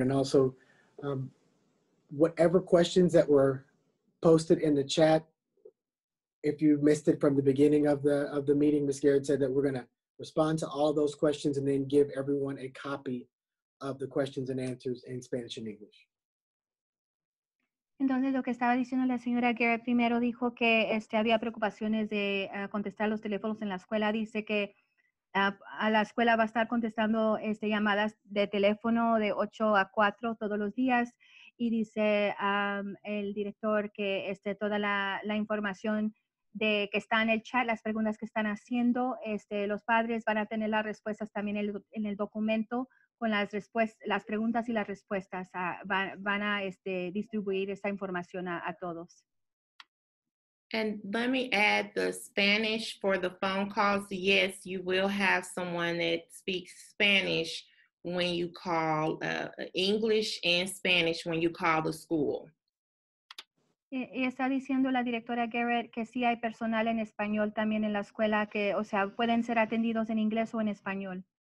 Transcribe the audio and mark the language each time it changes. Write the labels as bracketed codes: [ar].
[en] And also, whatever questions that were posted in the chat, if you missed it from the beginning of the meeting, Ms. Garrett said that we're going to respond to all those questions and then give everyone a copy of the questions and answers in Spanish and English. [es] Entonces, lo que estaba diciendo la señora Garrett primero dijo que había preocupaciones de contestar los teléfonos en la escuela. Dice que a la escuela va a estar contestando llamadas de teléfono de 8 a 4 todos los días. Y dice el director que toda la información de que está en el chat, las preguntas que están haciendo, los padres van a tener las respuestas también en el documento con las preguntas y las respuestas. Van a distribuir esa información a todos. [en] And let me add the Spanish for the phone calls. Yes, you will have someone that speaks Spanish when you call English and Spanish when you call the school. [es] Y está diciendo la directora Garrett que sí hay personal en español también en la escuela que, o sea, pueden ser atendidos en inglés o en español.